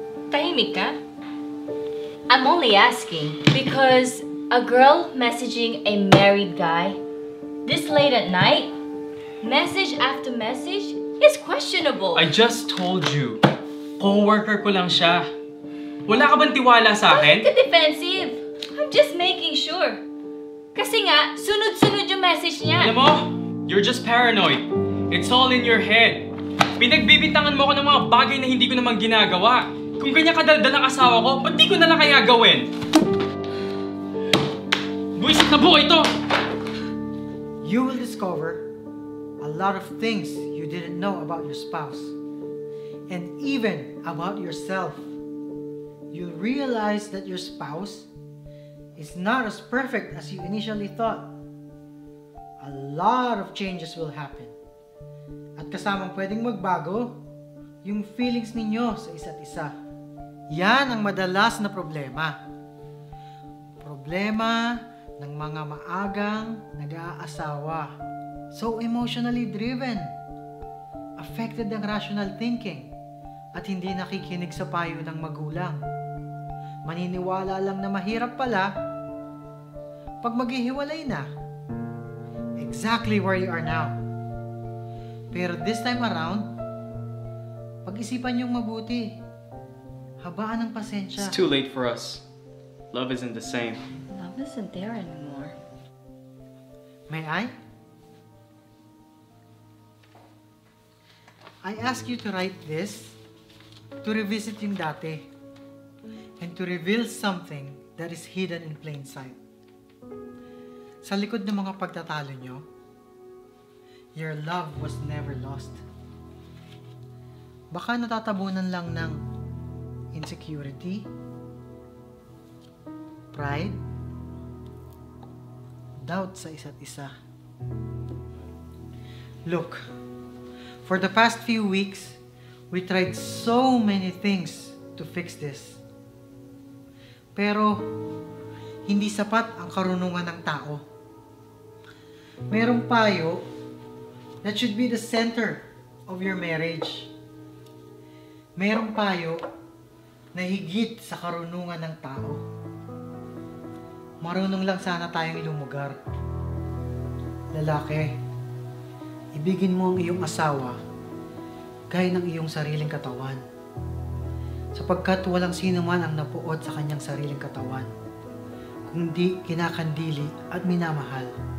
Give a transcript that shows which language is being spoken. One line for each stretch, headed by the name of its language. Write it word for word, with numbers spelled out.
Filipino: Tahimik ka?
English: I'm only asking because a girl messaging a married guy this late at night, message after message, is questionable. I just told you,
Filipino: coworker ko lang siya. Wala ka bang tiwala sa Bakit ka akin? defensive?
English: I'm just making sure.
Filipino: Kasi nga, sunod-sunod yung message niya. Alam mo,
English: you're just paranoid. It's all in your head.
Filipino: Pinagbibitangan mo ko ng mga bagay na hindi ko naman ginagawa. Kung ganyan kadaldal ang asawa ko, ba't di ko na lang kaya gawin? Buwisit na buo ito!
English: You will discover a lot of things you didn't know about your spouse and even about yourself. You'll realize that your spouse is not as perfect as you initially thought. A lot of changes will happen.
Filipino: At kasamang pwedeng magbago yung feelings ninyo sa isa't isa. Yan ang madalas na problema. Problema ng mga maagang nag-aasawa.
English: So emotionally driven.
Filipino: Affected ang rational thinking at hindi nakikinig sa payo ng magulang. Maniniwala lang na mahirap pala pag maghihiwalay na.
English: Exactly where you are now.
Filipino: Pero
English: this time around,
Filipino: pag-isipan niyong mabuti. Habaan ang pasensya.
English: It's too late for us. Love isn't the same. Love isn't there anymore. May I? I ask you to write this to revisit
Filipino: yung dati
English: and to reveal something that is hidden in plain sight.
Filipino: Sa likod ng mga pagtatalo nyo,
English: your love was never lost.
Filipino: Baka natatabunan lang ng insecurity, pride, doubt sa isa't isa.
English: Look, for the past few weeks, we tried so many things to fix this.
Filipino: Pero, hindi sapat ang karunungan ng tao. Merong payo
English: that should be the center of your marriage.
Filipino: Merong payo na higit sa karunungan ng tao. Marunong lang sana tayong lumugar. Lalaki, ibigin mo ang iyong asawa gaya ng iyong sariling katawan, sapagkat walang sino man ang napuot sa kanyang sariling katawan, kundi kinakandili at minamahal.